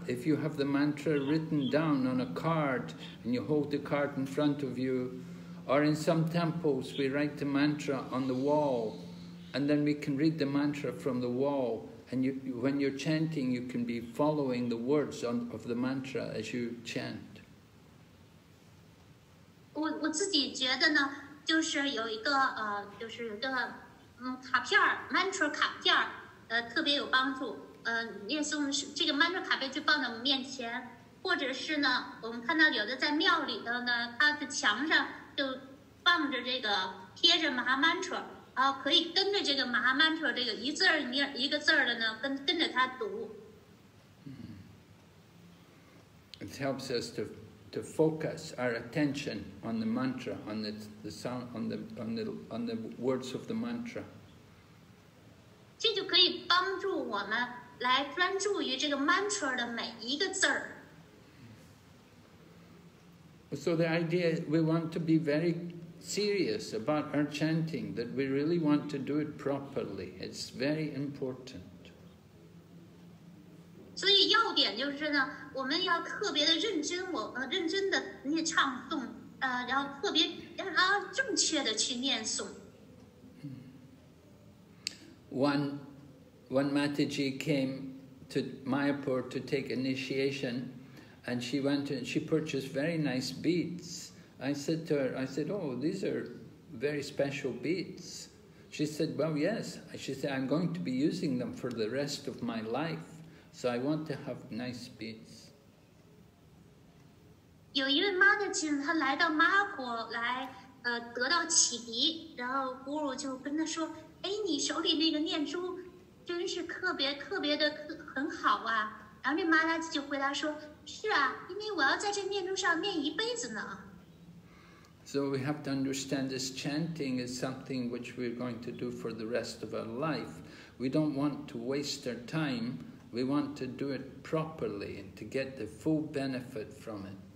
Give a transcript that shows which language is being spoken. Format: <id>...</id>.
<en>If you have the mantra written down on a card and you hold the card in front of you, or in some temples we write the mantra on the wall and then we can read the mantra from the wall. And when you're chanting, you can be following the words of the mantra as you chant.</en> <zh>我自己觉得呢，就是有一个就是有一个卡片儿 ，mantra 卡片儿，特别有帮助。念诵这个 mantra 卡片就放在我们面前，或者是呢，我们看到有的在庙里头呢，它的墙上就放着这个贴着 mahamantra， 然后可以跟着这个 mahamantra 这个一字儿一个字儿的呢，跟着它读。</zh> <en>It helps us to focus our attention on the mantra, on the sound, on the words of the mantra.</en> <zh>这就可以帮助我们来专注于这个 mantra 的每一个字儿。</zh> <en>So the idea, we want to be very serious about our chanting, that we really want to do it properly. It's very important.</en> <zh>所以要点就是呢，我们要特别的认真，认真的念唱诵，然后特别要正确的去念诵。</zh> <en>One Mataji came to Mayapur to take initiation, And she went and she purchased very nice beads. I said to her, I said, oh, these are very special beads. She said, well, yes. She said, I'm going to be using them for the rest of my life. So I want to have nice beads.</en> <zh>有一位妈妈就她来到妈国来得到启迪，然后咕噜就跟她说：“哎，你手里那个念珠真是特别特别的很好啊。”然后这妈妈就回答说：“是啊，因为我要在这念珠上念一辈子呢。”So</zh> <en>we have to understand this chanting is something which we're going to do for the rest of our life. We don't want to waste our time. We want to do it properly and to get the full benefit from it.</en>